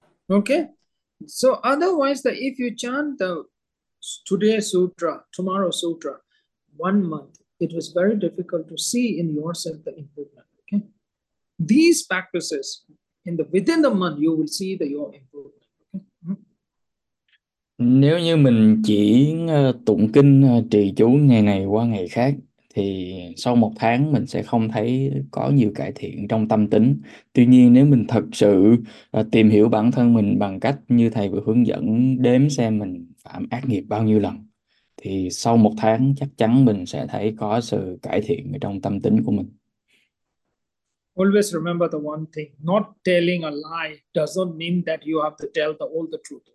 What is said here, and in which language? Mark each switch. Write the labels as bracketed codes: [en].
[en] Okay, so otherwise, if you chant the today sutra, tomorrow sutra, 1 month, it was very difficult to see in yourself the improvement. Okay, these practices in the within the month, you will see the your improvement. [vi] Nếu như mình chỉ tụng kinh trì chú ngày này qua ngày khác thì sau 1 tháng mình sẽ không thấy có nhiều cải thiện trong tâm tính. Tuy nhiên nếu mình thật sự tìm hiểu bản thân mình bằng cách như thầy vừa hướng dẫn, đếm xem mình phạm ác nghiệp bao nhiêu lần, thì sau 1 tháng chắc chắn mình sẽ thấy có sự cải thiện trong tâm tính của mình. [en] Always remember the one thing, not telling a lie doesn't mean that you have to tell the all the truth.